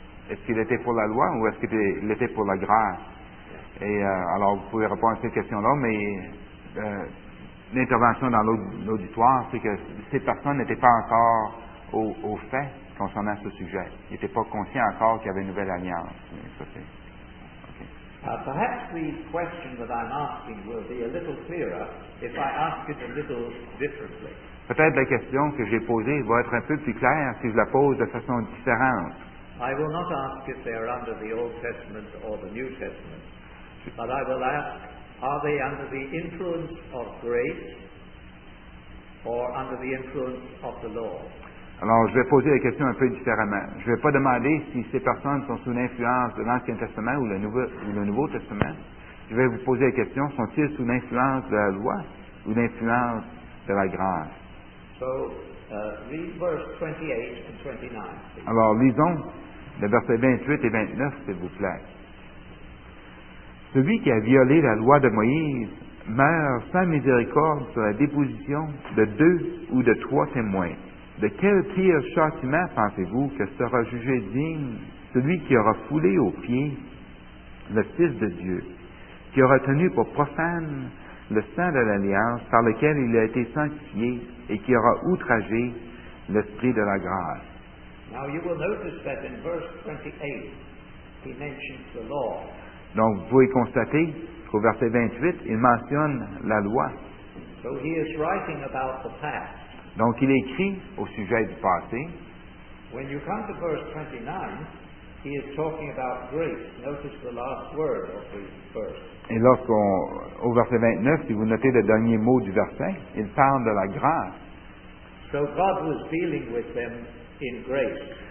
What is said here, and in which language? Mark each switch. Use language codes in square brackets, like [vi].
[fr] Est-ce qu'il était pour la loi ou est-ce qu'il était pour la grâce? Et alors, vous pouvez répondre à cette question-là, mais l'intervention dans l'auditoire, c'est que ces personnes n'étaient pas encore au fait concernant ce sujet. Ils n'étaient pas conscients encore qu'il y avait une nouvelle alliance. Mais ça, c'est... Okay. [en] Perhaps the question that I'm asking will be a little clearer if I ask it a little differently. [fr] Peut-être la question que j'ai posée va être un peu plus claire si je la pose de façon différente. [en] I will not ask if they are under the Old Testament or the New Testament, but I will ask, are they under the influence of grace or under the influence of the law? [fr] Alors, je vais poser la question un peu différemment. Je ne vais pas demander si ces personnes sont sous l'influence de l'Ancien Testament ou le Nouveau Testament. Je vais vous poser la question, sont-ils sous l'influence de la loi ou l'influence de la grâce? [en] So, read verse 28 and 29, please. [fr] Alors, lisons les versets 28 et 29, s'il vous plaît. Celui qui a violé la loi de Moïse meurt sans miséricorde sur la déposition de deux ou de trois témoins. De quel pire châtiment pensez-vous que sera jugé digne celui qui aura foulé aux pieds le Fils de Dieu, qui aura tenu pour profane le sang de l'Alliance par lequel il a été sanctifié et qui aura outragé l'Esprit de la grâce. [en] Now you will notice that in verse 28, he mentions the law. [fr] Donc, vous pouvez constater qu'au verset 28, il mentionne la loi. [en] So he is writing about the past. [fr] Donc, il écrit au sujet du passé. [en] When you come to verse 29, he is talking about grace. Notice the last word of the verse. [fr] Et lorsqu'on, au verset 29, si vous notez le dernier mot du verset, il parle de la grâce. [en] So God was dealing with them in grace.